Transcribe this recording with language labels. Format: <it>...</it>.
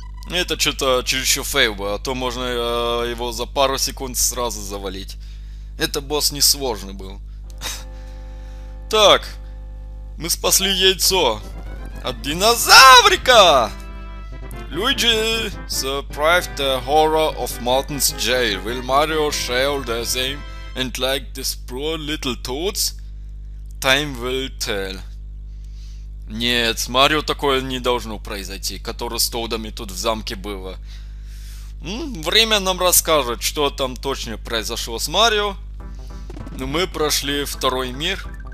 <ru>Это что-то чересчур фейл бы, а то можно его за пару секунд сразу завалить. Это босс несложный был. Так, мы спасли яйцо от динозаврика!</ru> <en>Luigi survived the horror of Martin's jail. Will Mario share the same and like this poor little toads? Time will tell.</en> <ru>Нет, с Марио такое не должно произойти, которое с Тоудами тут в замке было. Время нам расскажет, что там точно произошло с Марио. Но мы прошли второй мир.</ru>